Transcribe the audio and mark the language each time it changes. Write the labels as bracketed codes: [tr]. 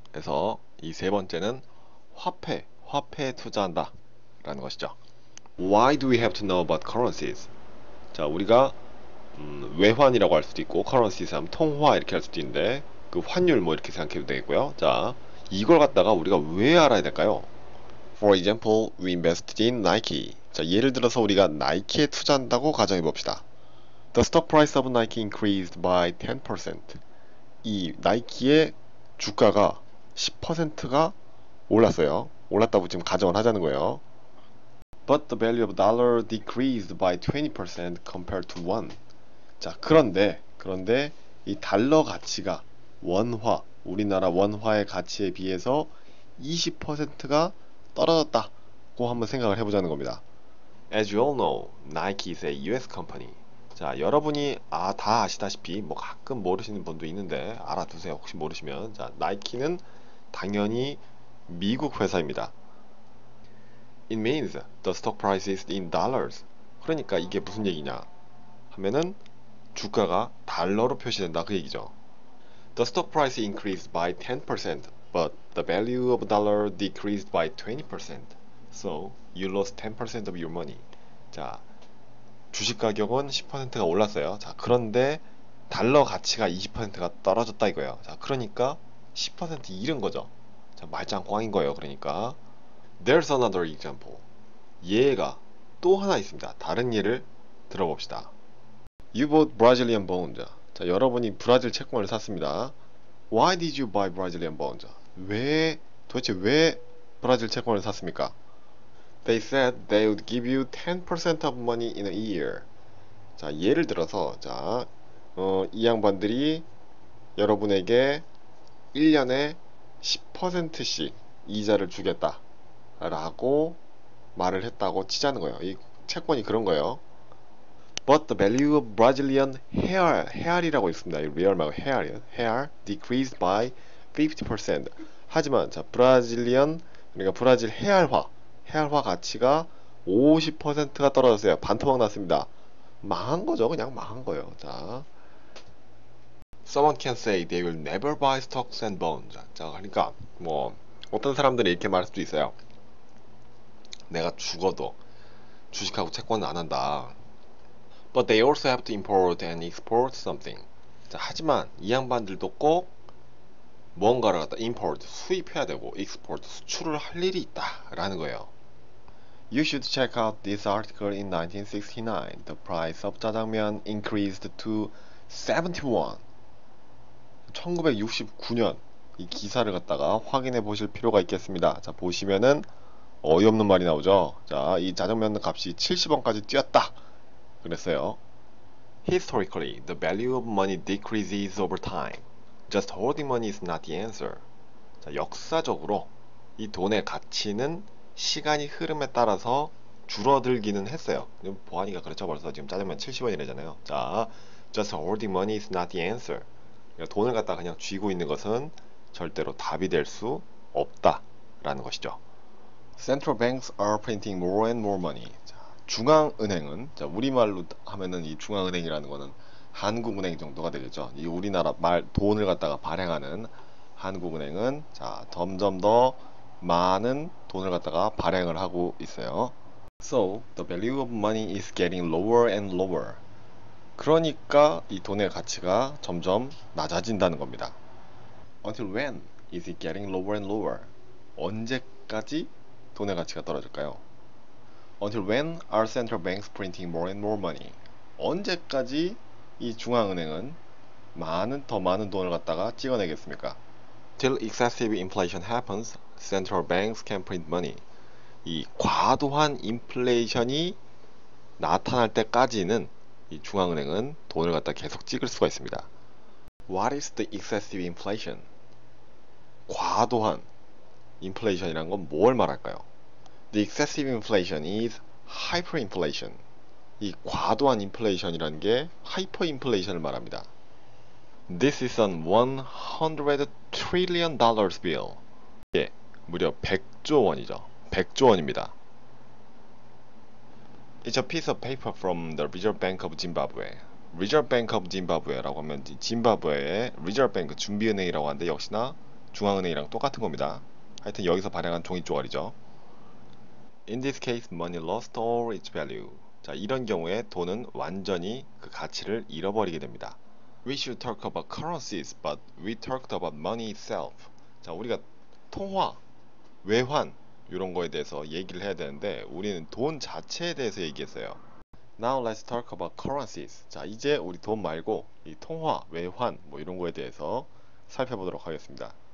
[ko] 그래서 이 세 번째는 화폐에 투자한다 라는 것이죠. [en] Why do we have to know about currencies? [ko] 자, 우리가 외환이라고 할 수도 있고 currencies 하면 통화 이렇게 할 수도 있는데 그 환율 뭐 이렇게 생각해도 되겠고요. 자, 이걸 갖다가 우리가 왜 알아야 될까요? [en] For example, we invested in Nike. [ko] 자, 예를 들어서 우리가 나이키에 투자한다고 가정해 봅시다. [en] The stock price of Nike increased by 10%. [ko] 이 나이키의 주가가 10%가 올랐어요. 올랐다고 지금 가정을 하자는 거예요. [en] But the value of dollar decreased by 20% compared to won. [ko] 자, 그런데 이 달러 가치가 원화, 우리나라 원화의 가치에 비해서 20%가 떨어졌다고 한번 생각을 해보자는 겁니다. [en] As you all know, Nike is a US company. [ko] 자, 여러분이 다 아시다시피 뭐 가끔 모르시는 분도 있는데 알아두세요. 혹시 모르시면. 자, 나이키는 당연히 미국 회사입니다. [en] It means the stock price is in dollars. [ko] 그러니까 이게 무슨 얘기냐 하면은 주가가 달러로 표시된다 그 얘기죠. [en] The stock price increased by 10%, but the value of dollar decreased by 20%. So you lost 10% of your money. [ko] 자, 주식 가격은 10%가 올랐어요. 자, 그런데 달러 가치가 20%가 떨어졌다 이거예요. 자, 그러니까 10% 잃은 거죠. 자, 말짱꽝인 거예요. 그러니까 [en] There's another example. [ko] 예가 또 하나 있습니다. 다른 예를 들어봅시다. [en] You bought Brazilian bonds. [ko] 자, 여러분이 브라질 채권을 샀습니다. [en] Why did you buy Brazilian bonds? [ko] 도대체 왜 브라질 채권을 샀습니까? [en] They said they would give you 10% of money in a year. [ko] 자, 예를 들어서 이 양반들이 여러분에게 1년에 10%씩 이자를 주겠다 라고 말을 했다고 치자는 거예요. 이 채권이 그런 거예요. [en] But the value of Brazilian hair [ko] 이라고 있습니다. 이 real 말고 [en] hair decreased by 50%. [ko] 하지만 자, Brazilian 그러니까 브라질 헤알화 가치가 50%가 떨어졌어요. 반토막 났습니다. 망한 거죠. 그냥 망한 거예요. [en] 자, Someone can say they will never buy stocks and bonds. [ko] 자, 그러니까 뭐 어떤 사람들이 이렇게 말할 수도 있어요. 내가 죽어도 주식하고 채권은 안 한다. [en] But they also have to import and export something. [ko] 자, 하지만 이 양반들도 꼭 뭔가를 갖다 import, 수입해야 되고 export, 수출을 할 일이 있다 라는 거예요. [en] You should check out this article in 1969. The price of 짜장면 increased to 71. [ko] 1969년 이 기사를 갖다가 확인해 보실 필요가 있겠습니다. 자, 보시면은 어이없는 말이 나오죠. 자, 이 짜장면 값이 70원까지 뛰었다 그랬어요. [en] Historically, the value of money decreases over time. Just holding money is not the answer. [ko] 자, 역사적으로 이 돈의 가치는 시간이 흐름에 따라서 줄어들기는 했어요. 보안이가 그렇죠. 벌써 지금 짜장면 70원이라잖아요. [en] 자, just holding money is not the answer. [ko] 그러니까 돈을 갖다 그냥 쥐고 있는 것은 절대로 답이 될 수 없다라는 것이죠. [en] Central banks are printing more and more money. [ko] 자, 중앙은행은 자, 우리말로 하면은 이 중앙은행이라는 거는 한국은행 정도가 되겠죠. 이 우리나라 말 돈을 갖다가 발행하는 한국은행은 자, 점점 더 많은 돈을 갖다가 발행을 하고 있어요. [en] So the value of money is getting lower and lower. [ko] 그러니까 이 돈의 가치가 점점 낮아진다는 겁니다. [en] Until when is it getting lower and lower? [ko] 언제까지 돈의 가치가 떨어질까요? [en] Until when are central banks printing more and more money? [ko] 언제까지 이 중앙은행은 더 많은 돈을 갖다가 찍어내겠습니까? [en] Till excessive inflation happens, central banks can print money. [ko] 이 과도한 인플레이션이 나타날 때까지는 이 중앙은행은 돈을 갖다 계속 찍을 수가 있습니다. [en] What is the excessive inflation? [ko] 과도한 인플레이션이란 건 뭘 말할까요? [en] The excessive inflation is hyperinflation. [ko] 이 과도한 인플레이션이라는 게 하이퍼인플레이션을 말합니다. [en] This is a $100 trillion bill. [ko] 예, 무려 100조 원이죠. 100조 원입니다. [en] It's a piece of paper from the Reserve Bank of Zimbabwe. [ko] Reserve Bank of Zimbabwe라고 하면 짐바브웨의 Reserve Bank 준비은행이라고 하는데 역시나 중앙은행이랑 똑같은 겁니다. 하여튼 여기서 발행한 종이 쪼가리죠. [en] In this case, money lost all its value. [ko] 자, 이런 경우에 돈은 완전히 그 가치를 잃어버리게 됩니다. [en] We should talk about currencies, but we talked about money itself. [ko] 자, 우리가 통화, 외환 이런 거에 대해서 얘기를 해야 되는데 우리는 돈 자체에 대해서 얘기했어요. [en] Now let's talk about currencies. [ko] 자, 이제 우리 돈 말고 이 통화, 외환 뭐 이런 거에 대해서 살펴보도록 하겠습니다.